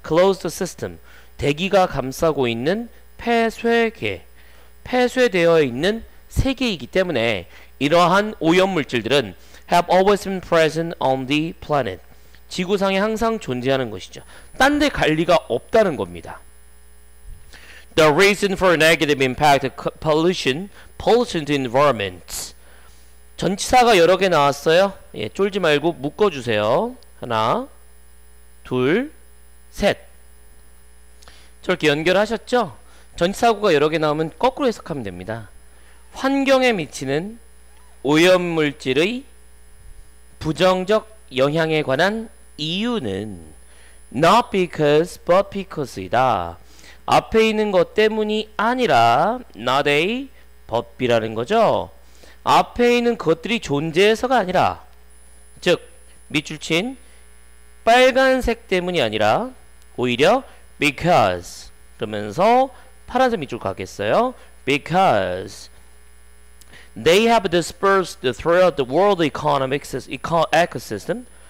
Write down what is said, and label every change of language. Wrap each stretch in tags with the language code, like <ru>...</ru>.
<en>Closed system</en> <ko>대기가 감싸고 있는 폐쇄계 폐쇄되어 있는 세계이기 때문에 이러한 오염물질들은</ko> <en>have always been present on the planet</en> <ko>지구상에 항상 존재하는 것이죠. 딴 데 갈 리가 없다는 겁니다.</ko> <en>The reason for negative impact of pollution to the environment.</en> <ko>전치사가 여러 개 나왔어요. 예, 쫄지 말고 묶어주세요. 하나, 둘, 셋. 저렇게 연결하셨죠? 전치사구가 여러 개 나오면 거꾸로 해석하면 됩니다. 환경에 미치는 오염물질의 부정적 영향에 관한 이유는</ko> <en>not because but because</en> <ko>이다. 앞에 있는 것 때문이 아니라</ko> <en>not a but</en> <ko>이라는 거죠. 앞에 있는 것들이 존재해서가 아니라 즉 밑줄 친 빨간색 때문이 아니라 오히려 Because 그러면서 파란색 밑줄 가겠어요.</ko> <en>Because they have dispersed throughout the world economic ecosystem.</en>